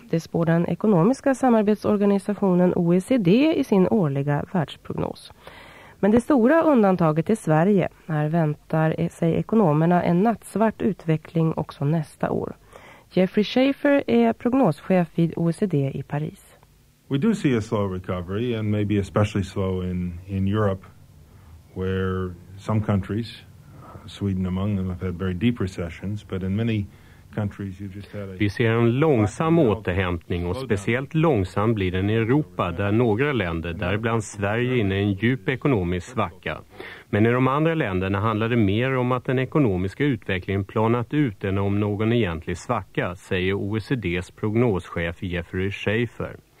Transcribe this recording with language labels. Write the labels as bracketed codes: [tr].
[sv] Det spår den ekonomiska samarbetsorganisationen OECD i sin årliga världsprognos. Men det stora undantaget är Sverige. Här väntar sig ekonomerna en nattsvart utveckling också nästa år. Jeffrey Schaefer är prognoschef vid OECD i Paris. [en] We do see a slow recovery and maybe especially slow in Europe where some countries, Sweden among them, have had very deep recessions, but in many countries you just had a... [sv] Vi ser en långsam återhämtning och speciellt långsam blir den i Europa där några länder, däribland Sverige, inne i en djup ekonomisk svacka. Men i de andra länderna handlar det mer om att den ekonomiska utvecklingen planat ut än om någon egentlig svacka, säger OECDs prognoschef Jeffrey Schaefer.